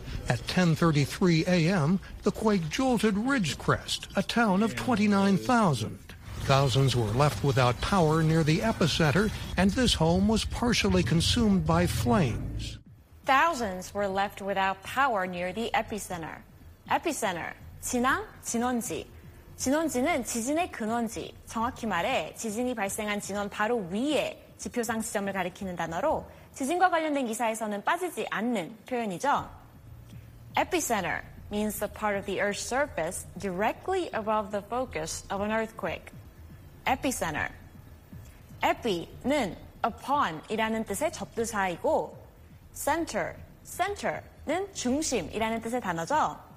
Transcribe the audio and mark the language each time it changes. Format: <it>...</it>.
<en>At 10:33 a.m., the quake jolted Ridgecrest, a town of 29,000. Thousands were left without power near the epicenter, and this home was partially consumed by flames. Thousands were left without power near the epicenter.</en> <ko>Epicenter, 진앙, 진원지. 진원지는 지진의 근원지, 정확히 말해 지진이 발생한 진원 바로 위에 지표상 지점을 가리키는 단어로 지진과 관련된 기사에서는 빠지지 않는 표현이죠.</ko> <en>Epicenter means the part of the Earth's surface directly above the focus of an earthquake.</en> <ko>Epicenter. Epi는 upon이라는 뜻의 접두사이고 center, center는 중심이라는 뜻의 단어죠.</ko>